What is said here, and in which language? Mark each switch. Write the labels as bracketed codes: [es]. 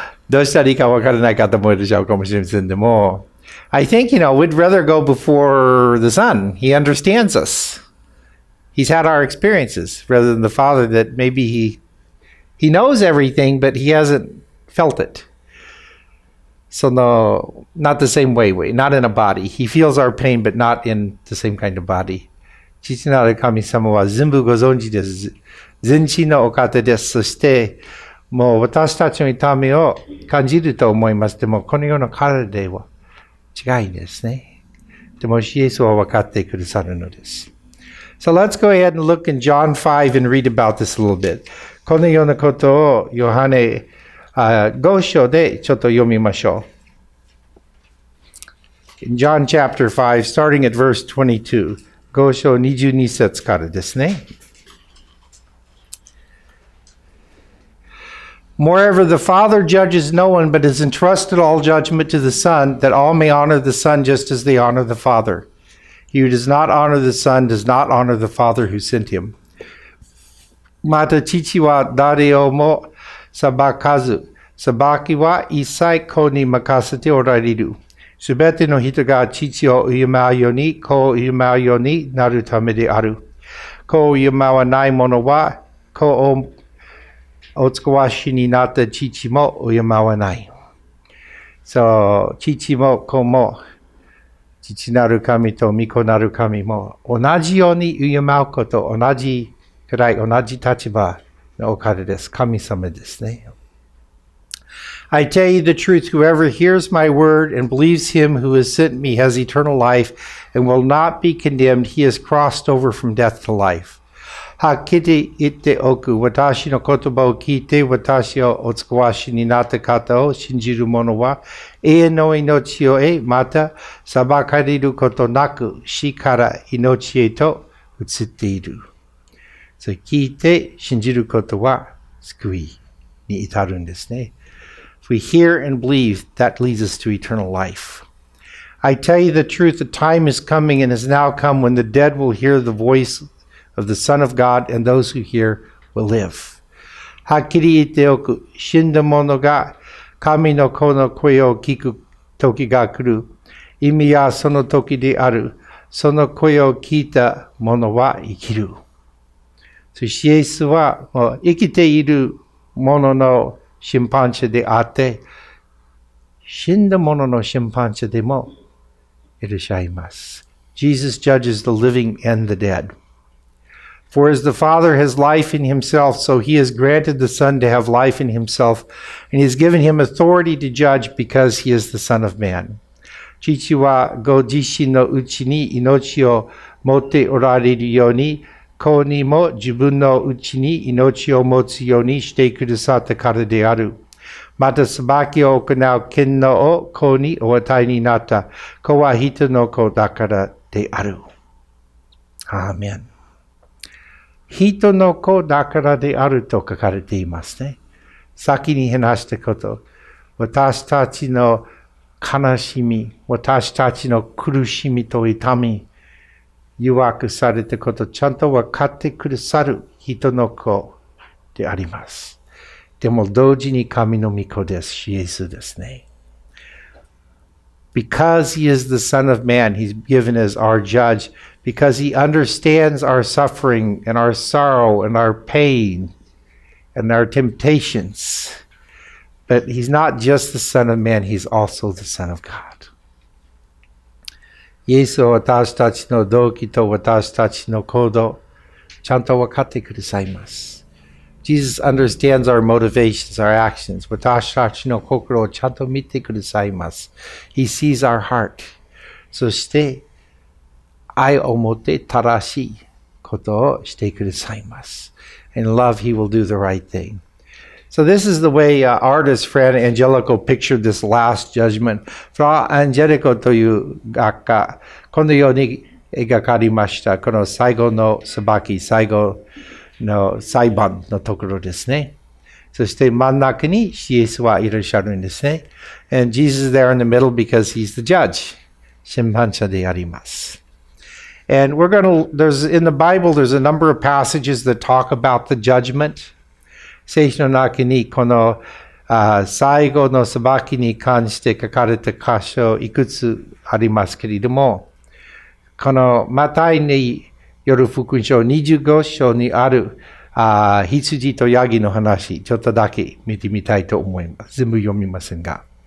[ja] どうしたらいいかわからない方もいるでしょうかもしれませんでも。 [en] I think, you know, we'd rather go before the Son. He understands us. He's had our experiences rather than the Father that maybe he knows everything, but he hasn't felt it. その、not the same way, not in a body. He feels our pain, but not in the same kind of body. [ja] 父なる神様は全部ご存知です。全知のお方です。そして、もう私たちの痛みを感じると思います。でも、この世の体では違いですね。でも、イエスは分かってくださるのです。 [en] So let's go ahead and look in John 5 and read about this a little bit. [ja] このようなことをヨハネ5章でちょっと読みましょう。 In John chapter 5, starting at verse 22, 5章22節からですね。 [en] Moreover, the Father judges no one, but has entrusted all judgment to the Son, that all may honor the Son just as they honor the Father. He who does not honor the Son does not honor the Father who sent him. [ja] また父は誰をも裁かず、裁きは一切子に任せておられる。すべての人が父を敬うように、子を敬うようになるためである。子を敬わない者は、子をお使わしになった父も敬わない。 So, 父も子も、父なる神と御子なる神も同じように敬うこと、同じくらい同じ立場のお方です。神様ですね。 [en] I tell you the truth, whoever hears my word and believes him who has sent me has eternal life and will not be condemned. He has crossed over from death to life. [ja] はっきり言っておく、私の言葉を聞いて私をお使わしになった方を信じる者は永遠の命を得、また裁かれることなく死から命へと移っている。それ聞いて信じることは救いに至るんですね。 [en] If we hear and believe, that leads us to eternal life. I tell you the truth, the time is coming and has now come when the dead will hear the voice of the Son of God and those who hear will live. [ja] はっきり言っておく、死んだ者が神の子の声を聞く時が来る。意味はその時である。その声を聞いた者は生きる。そしてイエスは生きている者の審判者であって、死んだ者の審判者でもいらっしゃいます。 [en] Jesus judges the living and the dead. For as the Father has life in himself, so he has granted the Son to have life in himself, and he has given him authority to judge because he is the Son of Man. [ja] 父はご自身のうちに命を持っておられるように、子にも自分のうちに命を持つようにしてくださったからである。また裁きを行う権能を子にお与えになった。子は人の子だからである。アーメン。人の子だからであると書かれていますね。先に話したこと、私たちの悲しみ、私たちの苦しみと痛み、弱くされたこと、ちゃんと分かってくださる人の子であります。でも同時に神の御子です、イエスですね。 [en] Because he is the Son of Man, he's given as our judge. Because he understands our suffering and our sorrow and our pain and our temptations. But he's not just the Son of Man, he's also the Son of God. [ja] イエスは私たちの動機と私たちの行動、ちゃんと分かってくださいます。 [en] Jesus understands our motivations, our actions. [ja] 私たちの心をちゃんと見てくださいます。 [en] He sees our heart. [ja] そして、愛をもって正しいことをしてくださいます。 [en] In love, he will do the right thing. So this is the way artist Fra Angelico pictured this last judgment. [ja] Fra Angelico という画家、このように描かれました。この最後の裁き、最後の裁判のところですね。そして真ん中にイエスはいらっしゃるんですね。 [en] And Jesus is there in the middle because he's the judge. [ja] 審判者であります。 [en] And we're going to, there's, in the Bible, there's a number of passages that talk about the judgment. [ja] 聖書の中にこの最後の裁きに関して書かれた箇所いくつありますけれどもこのマタイによる福音書25章にある羊とヤギの話ちょっとだけ見てみたいと思います全部読みませんが